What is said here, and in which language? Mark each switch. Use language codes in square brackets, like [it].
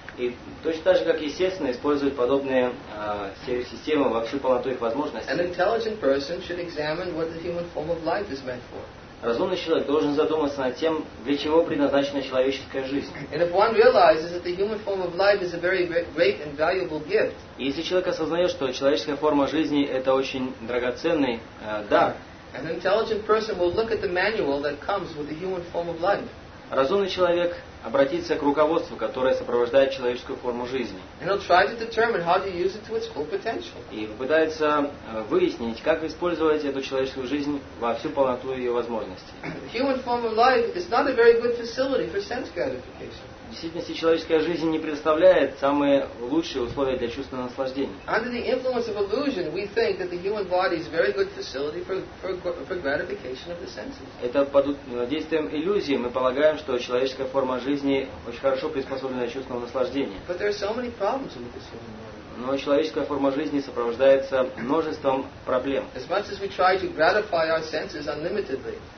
[ru] И точно так же, как естественно, используют подобные системы во всю полноту их возможностей. [en] An intelligent person should examine what the human form of life is meant for. [ru] Разумный человек должен задуматься над тем, для чего предназначена человеческая жизнь. [en] And if one realizes that the human form of life is a very great and valuable gift. [ru] И если человек осознает, что человеческая форма жизни это очень драгоценный дар. [en] An intelligent person will look at the manual that comes with the human form of life. [ru] Разумный человек обратиться к руководству, которое сопровождает человеческую форму жизни. [en] And he'll try to determine how to use it to its full potential. [ru] И попытается выяснить, как использовать эту человеческую жизнь во всю полноту ее возможностей. [en] Human form of life is not a very good facility for sense gratification. [ru] В действительности человеческая жизнь не предоставляет самые лучшие условия для чувственного наслаждения. [en] Under the influence of illusion, we think that the human body is a very good facility for gratification of the senses. [ru] Это под действием иллюзии мы полагаем, что человеческая форма жизни очень хорошо приспособлена для чувственного наслаждения. [en] But there are so many problems with this human body. [ru] Но человеческая форма жизни сопровождается множеством проблем. [en] As much as we try to gratify our senses unlimitedly.